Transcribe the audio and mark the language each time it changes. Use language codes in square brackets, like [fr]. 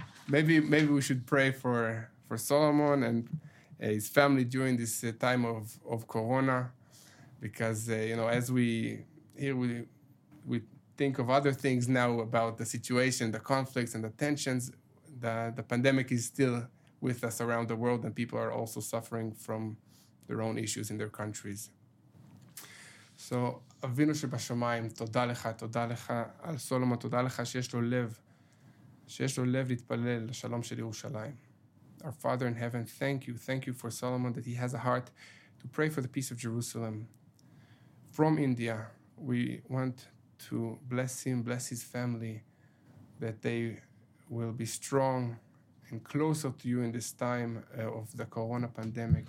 [en] maybe we should pray for Solomon and his family during this time of corona, because as we here we think of other things now about the situation, the conflicts and the tensions, the pandemic is still with us around the world, and people are also suffering from their own issues in their countries. [he] So, אבינו שבשמיים, תודה לך על סולומון, תודה לך שיש לו לב להתפלל לשלום של ירושלים. [en] Our Father in heaven, thank you for Solomon, that he has a heart to pray for the peace of Jerusalem. From India, we want to bless him, bless his family, that they will be strong and closer to you in this time of the corona pandemic.